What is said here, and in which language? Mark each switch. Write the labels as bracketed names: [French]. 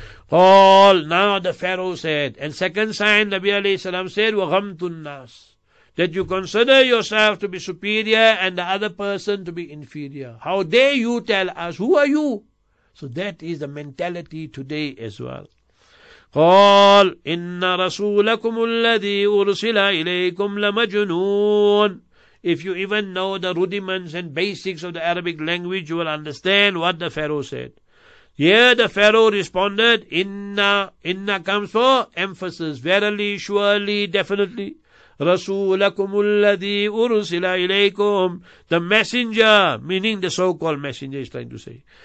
[English] All now the Pharaoh said, and second sign Nabi alayhi salam said, [Arabic] وَغَمْتُ النَّاسِ, [English] that you consider yourself to be superior and the other person to be inferior. How dare you tell us, who are you? So that is the mentality today as well. [Arabic] قال إن رسولكم الذي أرسل إليكم لمجنون. [English] If you even know the rudiments and basics of the Arabic language, you will understand what the Pharaoh said. Here the Pharaoh responded, Inna comes for emphasis, verily, surely, definitely. [Arabic] رسولكم الذي أرسل إليكم, [English] the messenger, meaning the so-called messenger, is trying to say.